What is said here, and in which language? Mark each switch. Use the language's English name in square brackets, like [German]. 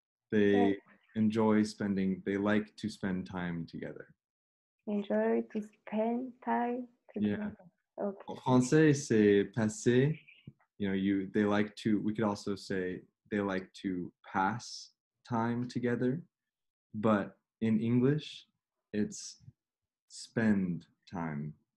[English] They like to spend time together. Enjoy to spend time together. Yeah. Okay. [French] En français, c'est passer. [English] They like to, we could also say they like to pass time together, but in English, it's spend time.